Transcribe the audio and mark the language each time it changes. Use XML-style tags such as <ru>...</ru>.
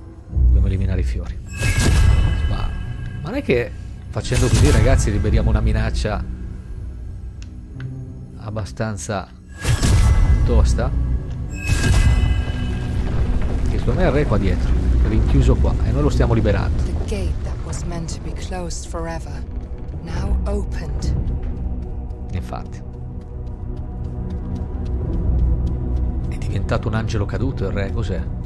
<it>Dobbiamo eliminare i fiori. Ma non è che facendo così, ragazzi, liberiamo una minaccia abbastanza tosta? Che secondo me è il re qua dietro, rinchiuso qua, e noi lo stiamo liberando. La</it> <en>gate that was meant to be closed forever, now opened.</en> <it>Infatti. È diventato un angelo caduto il re, cos'è?</it>